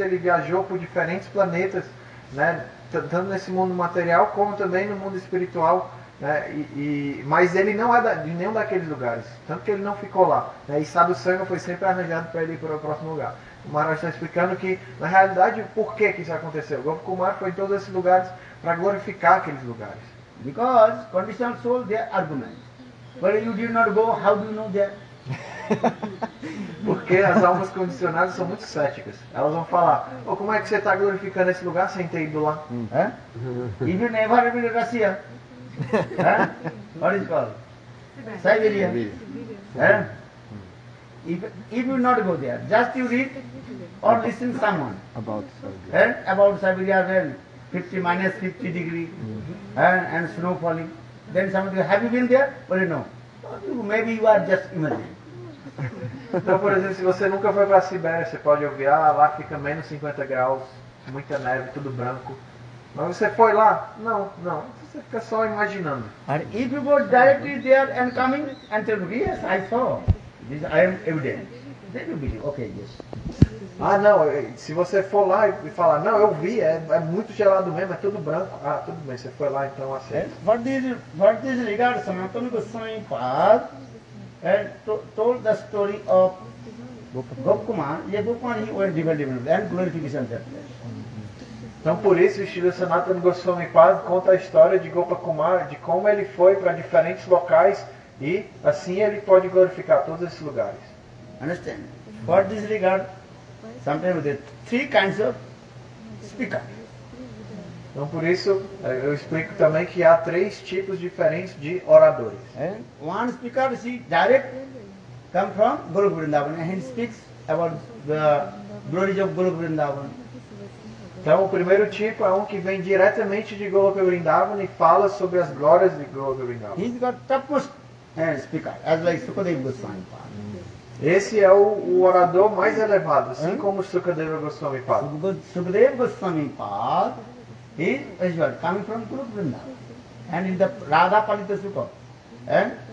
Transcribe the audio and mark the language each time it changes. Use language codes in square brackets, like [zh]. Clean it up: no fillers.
[pt] Ele viajou por diferentes planetas, né, tanto nesse mundo material como também no mundo espiritual, né, mas ele não é de nenhum daqueles lugares, tanto que ele não ficou lá. Né, e Sadhu Sangha foi sempre arranjado para ele ir para o próximo lugar. O Maharaj está explicando que, na realidade, por que isso aconteceu? Gopakumar foi em todos esses lugares para glorificar aqueles lugares. [en] Because conditioned soul, their argument. But you did not go, how do you know that? [pt] Porque as almas condicionadas são muito céticas. Elas vão falar, oh, como é que você está glorificando esse lugar sem ter ido lá? [en] Eh? If you never have been to Russia. Eh? What is it called? Siberia. If you not go there, just you read or listen someone about Siberia, about Siberia, well, 50 minus 50 degree, and snow falling. Then somebody, have you been there? Well, no. Maybe you are just imagining. [pt] Então, por exemplo, se você nunca foi para a Sibéria, você pode ouvir, ah, lá fica menos 50 graus, muita neve, tudo branco. Mas você foi lá? Não. Você fica só imaginando. [en] And if you go directly there and coming and tell, yes, I saw. This, I am evident. Then you believe. Okay, yes. [pt] Ah, não. Se você for lá e falar, não, eu vi, é muito gelado mesmo, é tudo branco. Ah, tudo bem. Você foi lá, então aceita. [en] What is regard Sanatana Goswami Pad told the story of Gopakumar. Yeah, Gopakumar, he went development and glorification that place. [pt] Então, por isso, o Shri Sanatana Goswami Pad conta a história de Gopakumar, de como ele foi para diferentes locais. E assim ele pode glorificar todos esses lugares. [en] Understand? For this regard, sometimes there are three kinds of speaker. [pt] Então por isso eu explico também que há três tipos diferentes de oradores. [en] One speaker is direct, come from Guru Vrindavan, and he speaks about the glories of Guru Vrindavan. [pt] Então o primeiro tipo é um que vem diretamente de Goloka Vrindavan e fala sobre as glórias de Goloka Vrindavan. [en] He's got topmost. Speaker, as like Sukadeva Goswami Pada. [pt] Esse é o orador mais elevado, assim como Sukadeva Goswami Pada. [en] Sukadeva Goswami Pada is coming from Guru Vrindavan. And in the Radha Palita Sukha. And